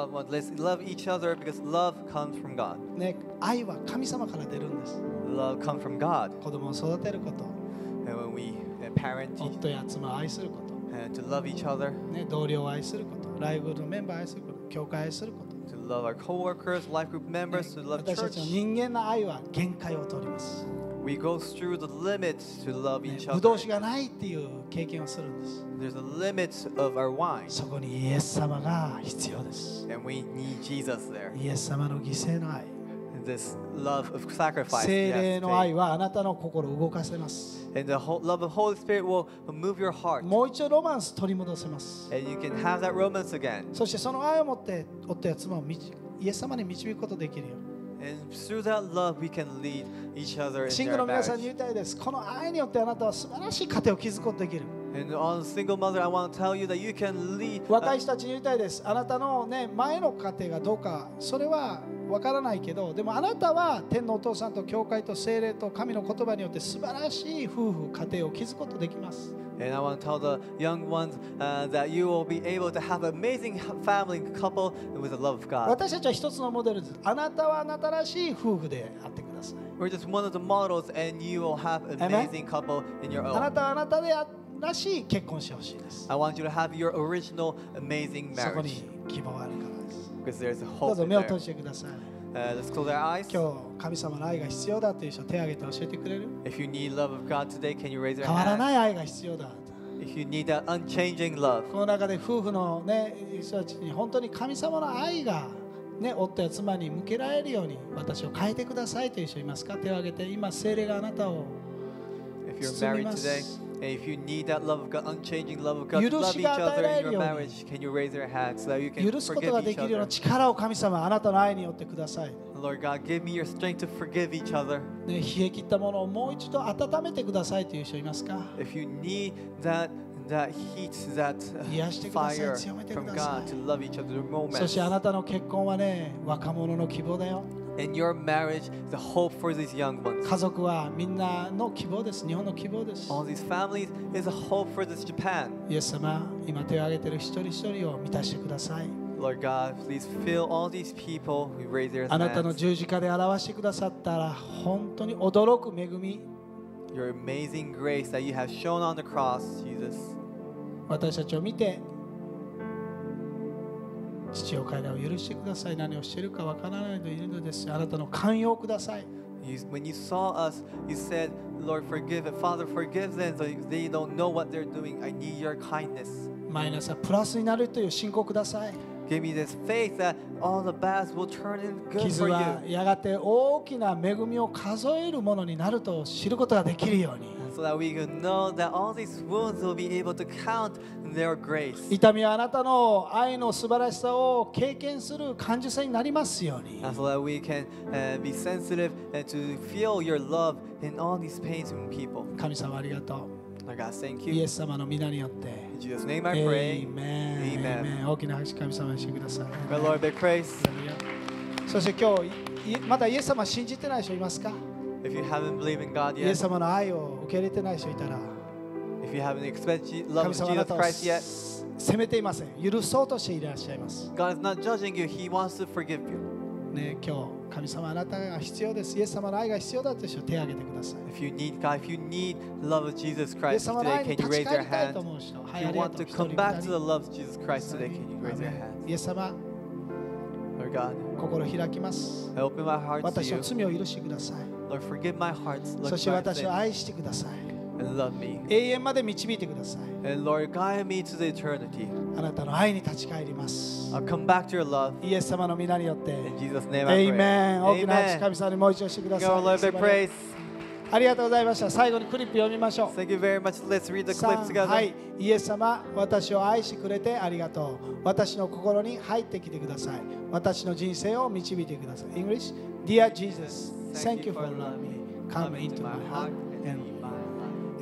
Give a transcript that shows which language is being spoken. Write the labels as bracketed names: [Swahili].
[English] Let's love each other because love comes from God. [Japanese] ね、愛は神様から出るんです。 [English] Love comes from God. [Japanese] 子供を育てること。 [English] And when we parent each other. [Japanese] 夫や妻を愛すること。 [English] To love each other. [Japanese] ね、同僚を愛すること。ライブのメンバーを愛すること。教会を愛すること。 [English] To love our coworkers, life group members, to love church. [Japanese] 私たちの人間の愛は限界を通ります。 [English] We go through the limits to love each other. [Japanese] ブドウ酒がないっていう経験をするんです。 [English] There's a limit of our wine. [Japanese] そこにイエス様が必要です。 [English] And we need Jesus there. [Japanese] イエス様の犠牲の愛。 [English] This love of sacrifice. [Japanese] 聖霊の愛はあなたの心を動かせます。 [English] And the love of Holy Spirit will move your heart. [Japanese] もう一度ロマンス取り戻せます。 [English] And you can have that romance again. [Japanese] そしてその愛を持って夫や妻をイエス様に導くことができるよ。 [English] And through that love, we can lead each other in our marriage. [Japanese] Single 皆さんに言いたいです。この愛によってあなたは素晴らしい家庭を築くことができる。 [English] And on single mother, I want to tell you that you can lead. [Japanese] 若い人たちに言いたいです。あなたのね前の家庭がどうかそれは分からないけど、でもあなたは天のお父さんと教会と聖霊と神の言葉によって素晴らしい夫婦家庭を築くことができます。 [English] And I want to tell the young ones that you will be able to have an amazing family couple with the love of God. [Japanese] 私たちは一つのモデルです。あなたはあなたらしい夫婦であってください。 [English] We're just one of the models, and you will have an amazing couple in your own. [Japanese] あなたはあなたらしい結婚してほしいです。 [English] I want you to have your original amazing marriage. [Japanese] そこに希望があるからです。 [English] Because there's a hope. [Japanese] どうぞ目を閉じてください。 [English] Let's close our eyes. [Japanese] 今日神様の愛が必要だという人手を挙げて教えてくれる？ [English] If you need love of God today, can you raise your hand? [Japanese] 変わらない愛が必要だ。 [English] If you need that unchanging love. [Japanese] この中で夫婦のね人たちに本当に神様の愛がね夫や妻に向けられるように私を変えてくださいという人いますか？手を挙げて今聖霊があなたを包みます。 [English] If you're married today, and if you need that love of God, unchanging love of God, to love each other in your marriage, can you raise your hand so that you can forgive each other? [Japanese] 許すことができるような力を神様、あなたの愛によってください。 [English] Lord God, give me your strength to forgive each other. [Japanese] ね、冷え切ったものをもう一度温めてくださいという人いますか？ [English] If you need that heat, that fire from God to love each other in a moment. [Japanese] そしてあなたの結婚はね、若者の希望だよ。 [English] And your marriage is the hope for these young ones. [Japanese] 家族はみんなの希望です。日本の希望です。 [English] All these families is a hope for this Japan. [Japanese] イエス様、今手を挙げている一人一人を満たしてください。 [English] Lord God, please fill all these people who raise their hands. [Japanese] あなたの十字架で表してくださったら本当に驚く恵み。 [English] Your amazing grace that you have shown on the cross, Jesus. [Japanese] 私たちを見て父よ彼らを許してください。何をしているかわからないのでいるのです。あなたの寛容をください。 [English] When you saw us, you said, Lord, forgive them. Father, forgive them. So they don't know what they're doing. I need your kindness. [Japanese] マイナスはプラスになるという信仰ください。 [English] Give me this faith that all the bad will turn into good for you. [Japanese] 傷はやがて大きな恵みを数えるものになると知ることができるように。 [English] So that we can know that all these wounds will be able to count their grace. [Japanese] 痛みはあなたの愛の素晴らしさを経験する感受性になりますように。 [English] So that we can be sensitive and to feel your love in all these pains in people. [Japanese] 神様ありがとう。 [English] Lord God, thank you. [Japanese] イエス様の皆によって。 [English] In Jesus' name, I pray. Amen. Amen. Amen. [Japanese] 大きな拍手、神様にしてください。 [English] The Lord be praised. [Japanese] そして今日まだイエス様信じてない人いますか？ [English] If you haven't believed in God yet, [Japanese] イエス様の愛を受け入れてない人いたら、 [English] you haven't experienced love of Jesus Christ yet, [Japanese] 責めていません。許そうとしていらっしゃいます。 [English] God is not judging you. He wants to forgive you. [Japanese] ね、今日神様あなたが必要です。イエス様の愛が必要だという人手を挙げてください。 [English] If you need God, if you need love of Jesus Christ today, can you raise your hand? If you want to come back to the love of Jesus Christ today, can you raise your hand? [Japanese] イエス様。心を開きます。 [English] I open my heart to you. [Japanese] 私の罪を許してください。 [English] Lord, forgive my heart. [Japanese] そして私を愛してください。 [English] And love me. [Japanese] 永遠まで導いてください。 [English] And Lord, guide me to the eternity. [Japanese] あなたの愛に立ち返ります。 [English] I'll come back to your love. [Japanese] イエス様の御名によって。 [English] In Jesus' name I pray. Amen. [Japanese] 大きな拍手、神様にもう一度してください。 [English] Give the Lord a big praise. [Japanese] ありがとうございました。最後にクリップ読みましょう。 [English] Thank you very much. Let's read the clip together. [Japanese] はい、イエス様、私を愛してくれてありがとう。私の心に入ってきてください。私の人生を導いてください。 [English] English, Dear Jesus, thank you for loving me. Come into my heart and be my life.